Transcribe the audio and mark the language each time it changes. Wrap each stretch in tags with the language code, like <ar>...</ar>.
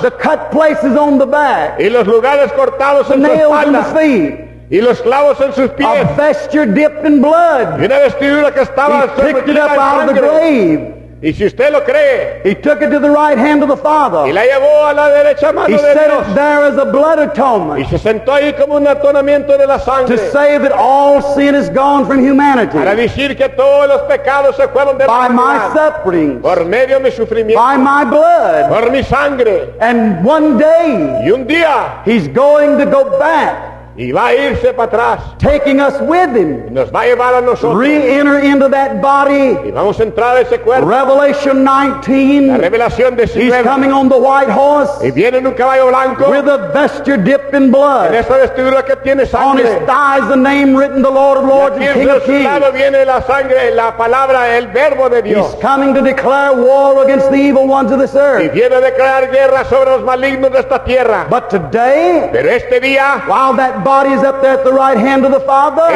<en>The cut places on the back.</en> <es>Y los lugares cortados</es> <en>the</en> <es>en</es> <en>nails</en> <es>su espalda.</es> <en>In the feet.</en> <es>Y los clavos en sus pies.</es> <en>A vesture dipped in blood.</en> <es>Y una vestidura que estaba</es> <en>he picked it up out of the grave.</en> <es>Y si usted lo cree,</es> <en>he took it to the right hand of the Father.</en> <es>Y la llevó a la derecha mano</es> <en>he</en> <es>de</es> <en>set</en> <es>Dios.</es> <en>It there as a blood atonement.</en> <es>Y se sentó ahí como un atonamiento de la sangre.</es> <en>To say that all sin is gone from humanity.</en> <es>Para decir que todos los pecados se fueron de</es> <en>by</en> <es>la humanidad.</es> <en>My sufferings.</en> <es>Por medio de mi sufrimiento.</es> <en>By my blood.</en> <es>Por mi sangre.</es> <en>And one day.</en> <es>Y un día.</es> <en>He's going to go back.</en> <es>Y va a irse para atrás.</es> <en>Taking us with him.</en> <es>Y nos va a llevar a nosotros.</es> <en>Re-enter into that body.</en> <es>Y vamos a entrar a ese cuerpo.</es> <en>Revelation 19.</en> <es>La revelación de 19.</es> <en>He's coming on the white horse.</en> <es>Y viene en un caballo blanco.</es> <en>With a vesture dipped in blood.</en> <es>En esa vestidura que tiene sangre.</es> <en>On his thighs the name written, the Lord of Lords and King of Kings.</en> <es>Y aquí en su lado viene la sangre, la palabra, el verbo de Dios.</es> <en>He's coming to declare war against the evil ones of this earth.</en> <es>Y viene a declarar guerra sobre los malignos de esta tierra.</es> <en>But today.</en> <es>Pero este día.</es> <en>While that body is up there at the right hand of the Father.</en>